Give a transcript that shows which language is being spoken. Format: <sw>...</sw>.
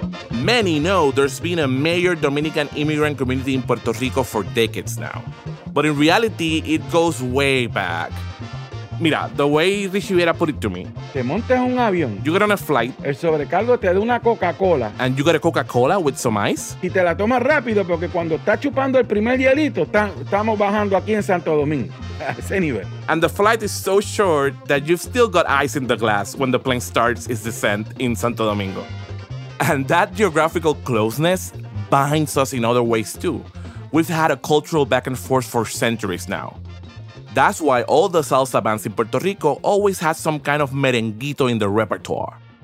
<en>Many know there's been a major Dominican immigrant community in Puerto Rico for decades now. But in reality, it goes way back. Mira, the way Richiviera put it to me.</en> <es>Te montes un avión.</es> <en>You get on a flight.</en> <es>El sobrecargo te da una Coca-Cola.</es> <en>And you get a Coca-Cola with some ice.</en> <es>Y te la tomas rápido porque cuando estás chupando el primer hielito, estamos bajando aquí en Santo Domingo. A ese nivel.</es> <en>And the flight is so short that you've still got ice in the glass when the plane starts its descent in Santo Domingo. And that geographical closeness binds us in other ways too. We've had a cultural back and forth for centuries now. That's why all the salsa bands in Puerto Rico always had some kind of merenguito in their repertoire.</en>